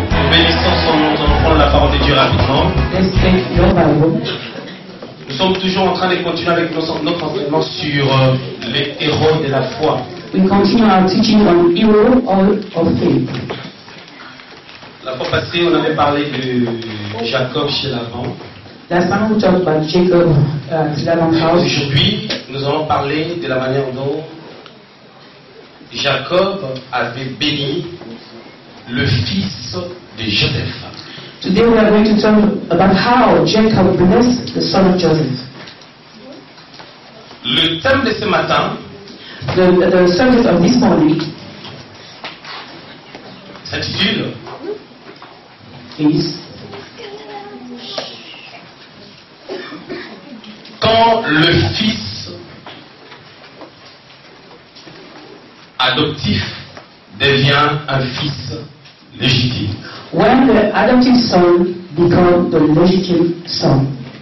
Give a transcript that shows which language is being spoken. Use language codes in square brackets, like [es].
[fr] Bénissons son nom, nous allons prendre la parole de Dieu rapidement. Nous sommes toujours en train de continuer avec notre enseignement sur les héros de la foi. [en] We continue our teaching on heroes of faith. [fr] La fois passée, on avait parlé de Jacob chez Laban. [en] Last time we talked about Jacob at Laban's house. [fr] Et aujourd'hui, nous allons parler de la manière dont Jacob avait béni le fils de Joseph. [en] Today we are going to talk about how Jacob blessed the son of Joseph. [fr] Le thème de ce matin, [en] the subject of this morning, [fr] s'intitule [en] is [fr] quand le fils adoptif devient un fils légitime. [en] When the adopted son becomes the legitimate son.